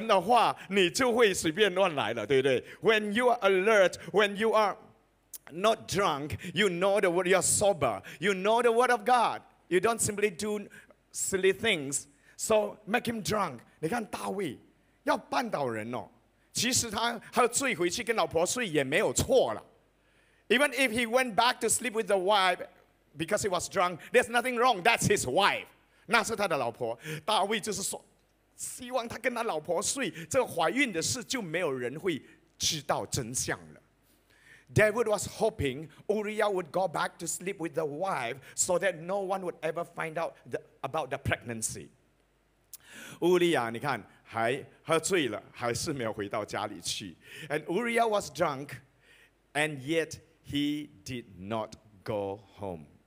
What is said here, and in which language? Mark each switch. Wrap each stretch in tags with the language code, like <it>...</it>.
<zh>因为你清醒的时候，你知道神的话；你醉了，你就不知道神的话，你就会随便乱来了，对不对？</zh> <en>When you are alert, when you are not drunk, you know the word. You're sober. You know the word of God. You don't simply do silly things. So make him drunk.</en> <zh>你看大卫要绊倒人哦。其实他喝醉回去跟老婆睡也没有错了。</zh> <en>Even if he went back to sleep with the wife because he was drunk, there's nothing wrong. That's his wife.</en> <zh>那是他的老婆。大卫就是说，希望他跟他老婆睡，这怀孕的事就没有人会知道真相了。</zh> <en>David was hoping Uriah would go back to sleep with the wife so that no one would ever find out about the pregnancy.</en> <zh>Uriah, 你看, 还喝醉了, 还是没有回到家里去。</zh> <en>And Uriah was drunk, and yet he did not go home.</en>